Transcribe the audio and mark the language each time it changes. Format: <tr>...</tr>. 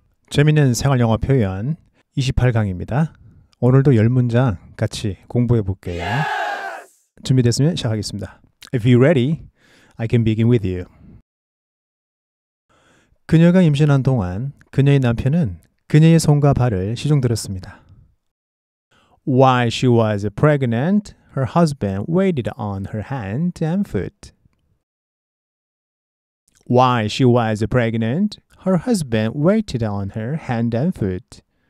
<ko>재미있는 생활영어 표현 28강입니다. 오늘도 10문장 같이 공부해 볼게요.</ko> <en>Yes!</en> <ko>준비됐으면 시작하겠습니다.</ko> <en>If you're ready, I can begin with you.</en> <ko>그녀가 임신한 동안 그녀의 남편은 그녀의 손과 발을 시종 들였습니다.</ko> <en>While she was pregnant, her husband waited on her hand and foot. While she was pregnant, her husband waited on her hand and foot.</en>